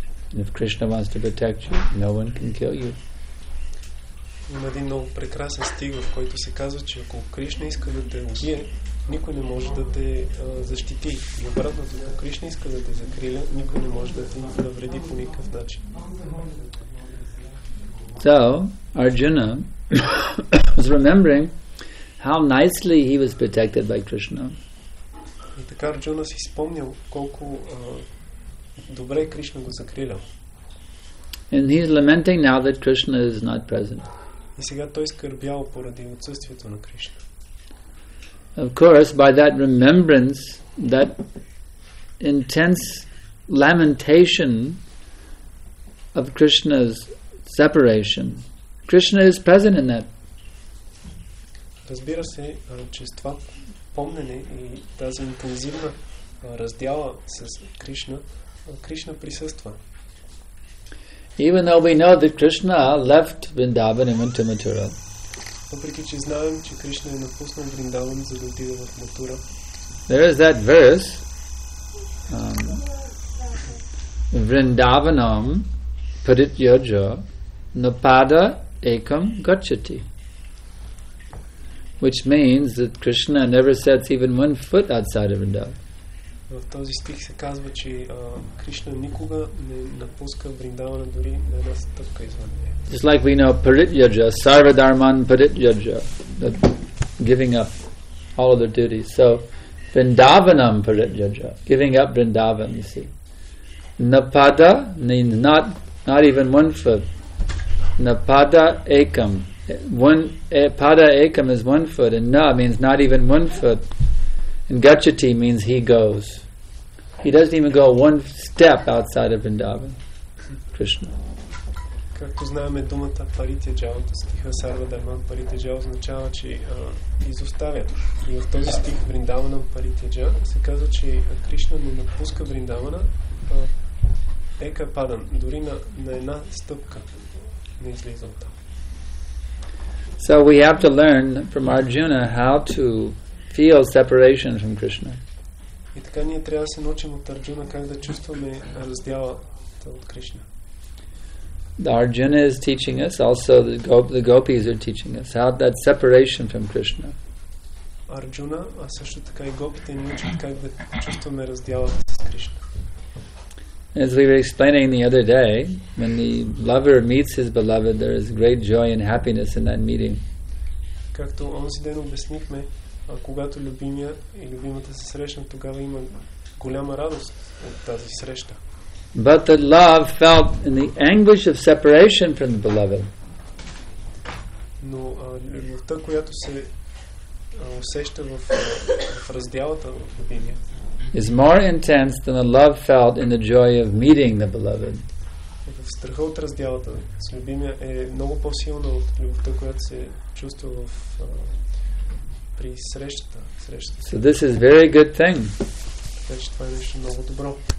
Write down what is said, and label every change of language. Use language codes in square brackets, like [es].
[en] And if Krishna wants to protect you, no one can kill you. [bg] Има един много прекрасен стих, в който се казва, че ако Кришна иска да те убие, никой не може да те защити. И обратното, ако Кришна иска да те закриля, никой не може да те навреди по никакъв начин. [en] So, Arjuna was remembering how nicely he was protected by Krishna. [bg] И така Арджуна си спомнил колко добре Кришна го закрилял. [en] And he is lamenting now that Krishna is not present. [bg] И сега той скърбял поради отсъствието на Кришна. [en] Of course, by that remembrance, that intense lamentation of Krishna's separation, Krishna is present in that. [bg] Разбира се, че това помнене и тази интензивна раздяла с Кришна, Кришна присъства. [en] Even though we know that Krishna left Vrindavan and went to Mathura. [bg] Въпреки че знаем, че Кришна е напуснал Вриндаван, за да отиде в Матура. [en] There is that verse. [sa] Vrindavanam parityajya napada ekam gacchati. [en] Which means that Krishna never sets even one foot outside of Vrindavan. [bg] В този стих се казва, че Кришна никога не напуска Вриндавана дори на една стъпка извън нея. [en] Just like we know Parityajya, [sa] Sarvadharman Parityajya, [en] that giving up all other duties. So, [sa] Vrindavanam Parityajya, [en] giving up Vrindavan, you see. Napada means not even one foot. [sa] Napada ekam. [en] Pada ekam is one foot, and na means not even one foot. And gacchati means he goes. He doesn't even go one step outside of Vrindavan, Krishna. [bg] Както знаем думата Parityajya, стиха [sa] Sarvadharman Parityajya [bg] означава, че изоставя. И в този стих [sa] Vrindavanam Parityajya [bg] се казва, че Кришна не напуска Vrindavana, [sa] ека падан, [bg] дори на една стъпка не излиза от там. [en] So we have to learn from Arjuna how to feel separation from Krishna. [bg] И така ние трябва да се научим от Арджуна как да чувстваме раздялата от Кришна. [en] Arjuna is teaching us, also the gopis are teaching us, how that separation from Krishna. [bg] Arjuna, а също така и гопите ни учат как да чувстваме раздялата с Кришна. [en] As we were explaining the other day, when the lover meets his beloved, there is great joy and happiness in that meeting. [bg] Както онзи ден обяснихме, когато любимия и любимата се срещнат, тогава има голяма радост от тази среща. [en] But the love felt in the anguish of separation from the beloved. [bg] Но любовта, която се усеща в раздялата от любимия, [en] is more intense than the love felt in the joy of meeting the beloved. [bg] Страхът от раздялата с любимия е много по-силна от любовта, която се чувства в при срещата. [en] So this is very good thing. [bg] Така че това е нещо много добро.